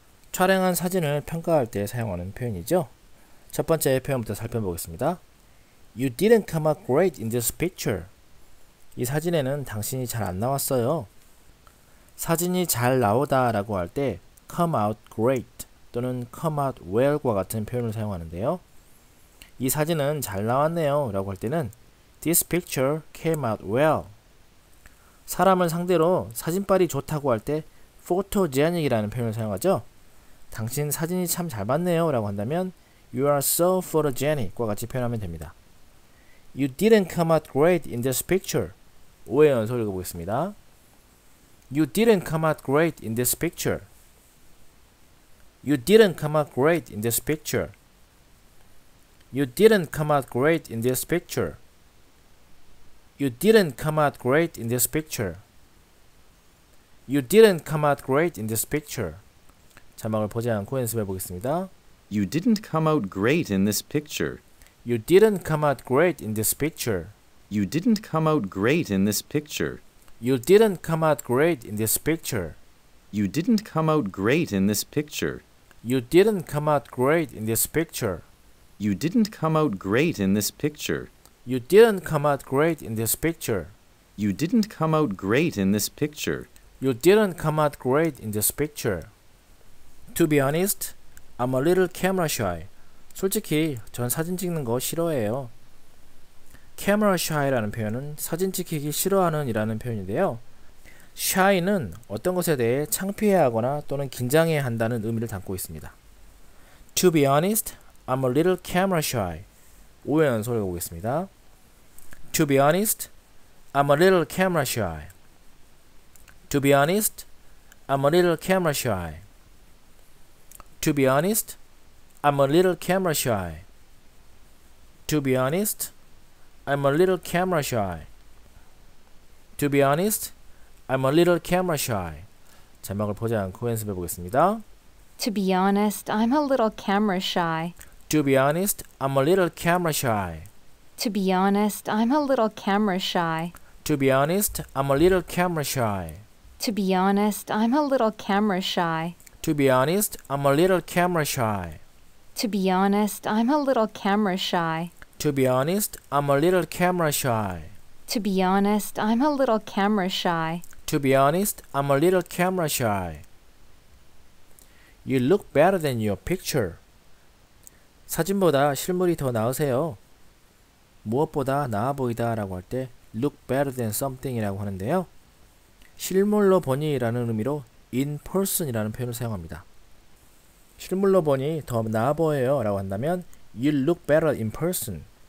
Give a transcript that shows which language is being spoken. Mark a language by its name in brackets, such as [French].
[Korean] 촬영한 사진을 평가할 때 사용하는 표현이죠. 첫 번째 표현부터 살펴보겠습니다. [English] You didn't come out great in this picture. [Korean] 이 사진에는 당신이 잘 안 나왔어요. 사진이 잘 나오다 라고 할 때 [English] come out great [Korean] 또는 [English] come out well [Korean] 과 같은 표현을 사용하는데요. 이 사진은 잘 나왔네요 라고 할 때는 [English] this picture came out well. [Korean] 사람을 상대로 사진빨이 좋다고 할 때 photogenic 이라는 표현을 사용하죠. 당신 사진이 참 잘 봤네요 라고 한다면 [English] you are so photogenic [Korean] 과 같이 표현하면 됩니다. [English] You didn't come out great in this picture. [Korean] 5회 연속 읽어보겠습니다. [English] You didn't come out great in this picture. You didn't come out great in this picture. You didn't come out great in this picture. You didn't come out great in this picture. You didn't come out great in this picture. [Korean] 자막을 보지 않고 연습해 보겠습니다. [English] You didn't come out great in this picture. You didn't come out great in this picture. You didn't come out great in this picture. You didn't come out great in this picture. You didn't come out great in this picture. You didn't come out great in this picture. You didn't come out great in this picture. You didn't come out great in this picture. You didn't come out great in this picture. You didn't come out great in this picture. To be honest, I'm a little camera shy. [Korean] 솔직히 전 사진 찍는 거 싫어해요. [English] Camera shy [Korean] 라는 표현은 사진 찍히기 싫어하는 이라는 표현인데요. shy는 어떤 것에 대해 창피해하거나 또는 긴장해야 한다는 의미를 담고 있습니다. [English] To be honest, I'm a little camera shy. [Korean] 5회 연속으로 해보겠습니다. [English] To be honest, I'm a little camera shy. To be honest, I'm a little camera shy. To be honest, I'm a little camera shy. To be honest, I'm a little camera shy. To be honest, I'm a little camera shy. [Korean] 자막을 보지 않고 연습해 보겠습니다. [English] To be honest, I'm a little camera shy. To be honest, I'm a little camera shy. To be honest, I'm a little camera shy. To be honest, I'm a little camera shy. To be honest, I'm a little camera shy. To be honest, I'm a little camera shy. To be honest, I'm a little camera shy. To be honest, I'm a little camera shy. To be honest, I'm a little camera shy. To be honest, I'm a little camera shy. You look better than your picture. [Korean] 사진보다 실물이 더 나으세요. 무엇보다 나아 보이다라고 할 때 [English] look better than something [Korean] 이라고 하는데요. 실물로 보니라는 의미로 [English] in person [Korean] 이라는 표현을 사용합니다. 실물로 보니 더 나아 보여요 라고 한다면 [English] you look better in person.